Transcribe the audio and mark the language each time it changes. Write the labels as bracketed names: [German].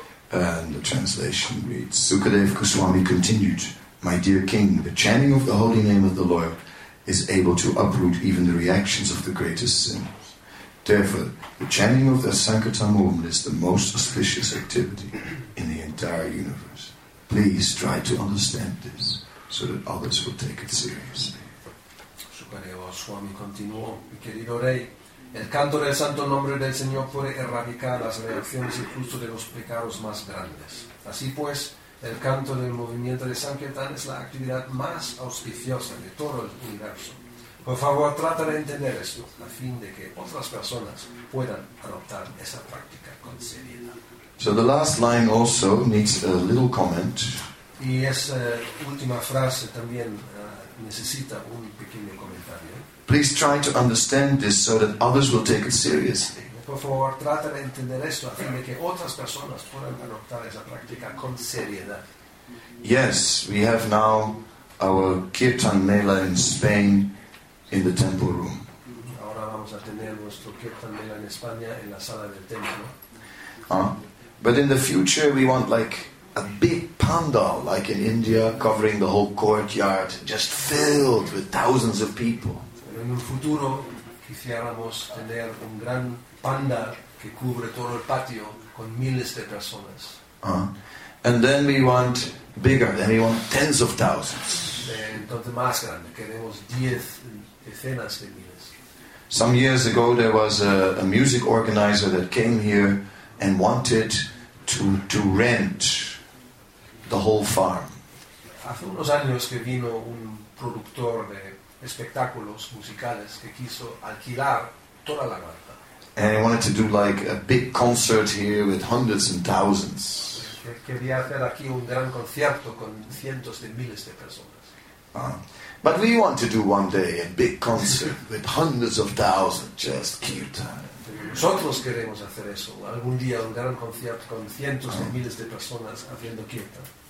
[English] And the translation reads, Sukadev Goswami continued, "My dear king, the chanting of the holy name of the Lord is able to uproot even the reactions of the greatest sins. Therefore, the chanting of the Sankirtan movement is the most auspicious activity in the entire universe. Please try to understand this so that others will take it seriously." [Spanish] Sukadev Goswami continuó, "Mi querido rey, el canto del santo nombre del Señor puede erradicar las reacciones incluso de los pecados más grandes. Así pues, el canto del movimiento de Sankirtan es la actividad más auspiciosa de todo el universo. Por favor, trata de entender esto, a fin de que otras personas puedan adoptar esa práctica con seriedad." [English] So the last line also needs a little comment. [Spanish] Y esa última frase también necesita un pequeño comentario. [English] Please try to understand this so that others will take it seriously. [Spanish] Por favor, trata de entender esto a fin de que otras personas puedan adoptar esa práctica con seriedad. [English] Yes, we have now our kirtan mela in Spain in the temple room. [Spanish] Ahora vamos a tener nuestro kirtan mela en España en la sala del templo. [English] But in the future we want like a big pandal, like in India, covering the whole courtyard, just filled with thousands of people. [Spanish] En un futuro quisiéramos tener un gran panda que cubre todo el patio con miles de personas. [English] And then we want bigger, then we want tens of thousands. [Spanish] Entonces más grande, queremos 10 decenas de miles. [English] Some years ago there was a music organizer that came here and wanted to rent the whole farm. [Spanish] Hace unos años que vino un productor de espectáculos musicales que quiso alquilar toda la granja. [English] And he wanted to do like a big concert here with hundreds and thousands. [Spanish] Quería hacer aquí un gran concierto con cientos de miles de personas. [English] But we want to do one day a big concert with hundreds of thousands, just kirtan. [Spanish] Nosotros queremos hacer eso, algún día un gran concierto con cientos de miles de personas haciendo kirtan.